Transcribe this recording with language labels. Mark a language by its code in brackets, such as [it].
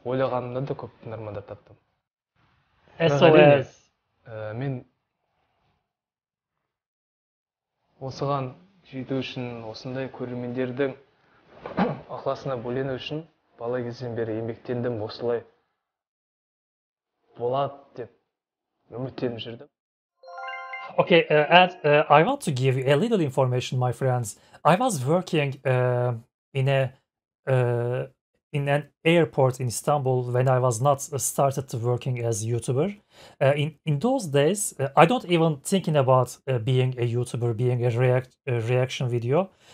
[kk] Ойлағанымда да көп тыңдармандар таптым. [en] SOS. [kk] Мен осыған жету үшін, осындай көрермендердің ықыласына бөлену үшін [ky] Бала кезден бери эмгектендим, осылай болот деп үмүттөнүп жүрдүм. [en] Okay, Ed, I want to give you a little information, my friends. I was working in an airport in Istanbul when I was not started to working as a YouTuber. In those days, I don't even thinking about being a YouTuber, being a reaction video.